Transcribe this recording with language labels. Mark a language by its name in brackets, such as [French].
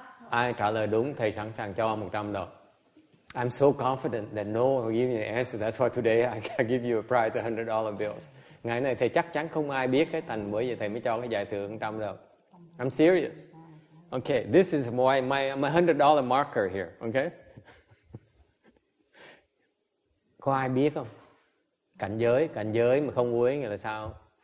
[Vietnamese] Ai trả lời đúng, thầy sẵn sàng cho $100. [English] I'm so confident that no one will give me the answer. That's why today I give you a prize of $100 bills. [Vietnamese] Ngày nay thầy chắc chắn không ai biết cái thành bởi vì thầy mới cho cái giải thưởng $100. [English] I'm serious. Okay, this is my $100 marker here. Okay. [Vietnamese] Có ai biết không? Cảnh giới mà không uế nghĩa là sao?